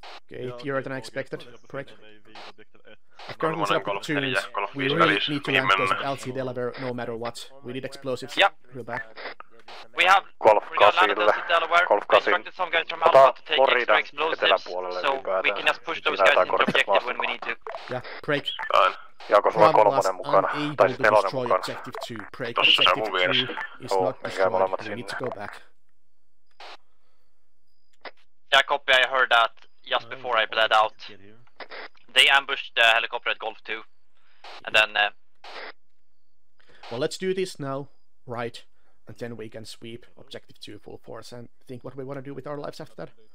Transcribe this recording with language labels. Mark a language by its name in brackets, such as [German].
[English] Okay, fewer than I expected, prick. I've currently set up platoons. We really need to land those LC Delaware no matter what. We need explosives. Yeah. Real bad. We have landed those in Delaware. We instructed some guys from Alpha to take extra explosives. So we can just push those guys into objective when we need to. Yeah, prick. [Finnish] Jaako sulla kolmonen mukana, tai sitten nelonen mukana. Tossa se on mun vieressä. Joo, menkää molemmat sinne. [English] Jacobi, I heard that just before I bled out. They ambushed the helicopter at Golf 2. And then... Well, let's do this now, right? And then we can sweep Objective 2 full force and think what we want to do with our lives after that.